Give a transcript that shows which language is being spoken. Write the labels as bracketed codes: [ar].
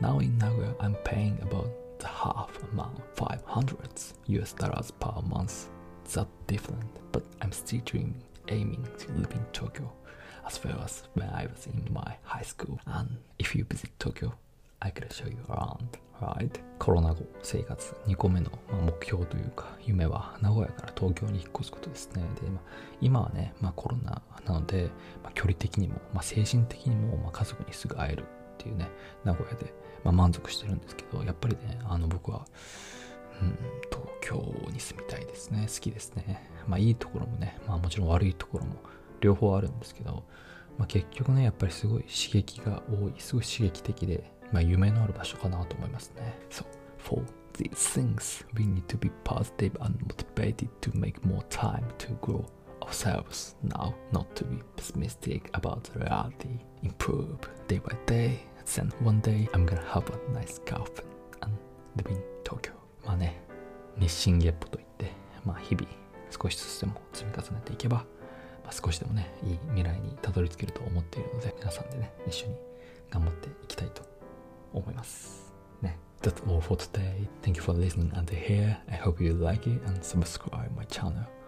[en] Now in Nagoya, I'm paying about the half amount, $500 per month. That's different. But I'm still dreaming, aiming to live in Tokyo, as well as when I was in my high school. And if you visit Tokyo, I could show you around, right? [ja] コロナ後生活2個目の目標というか夢は名古屋から東京に引っ越すことですね。で、まあ、今はね、まあ、コロナなので、まあ、距離的にも、まあ、精神的にも、まあ、家族にすぐ会えるっていうね名古屋で、まあ、満足してるんですけど、やっぱりね僕は、東京に住みたいですね。好きですね。まあいいところもね、まあ、もちろん悪いところも両方あるんですけど、まあ、結局ねやっぱりすごい刺激が多い、すごい刺激的で、まあ、夢のある場所かなと思いますね。 [en] So, for these things, we need to be positive and motivated to make more time to grow ourselves now, not to be pessimistic about the reality. Improve day by day, then one day I'm gonna have a nice girlfriend and live in Tokyo. [ja] まあね、日進月歩といって、まあ、日々少しずつでも積み重ねていけば、まあ、少しでもね、いい未来にたどり着けると思っているので、皆さんでね、一緒に頑張っていきたいと。思います、ね、 [en] That's all for today. Thank you for listening until here. I hope you like it and subscribe my channel.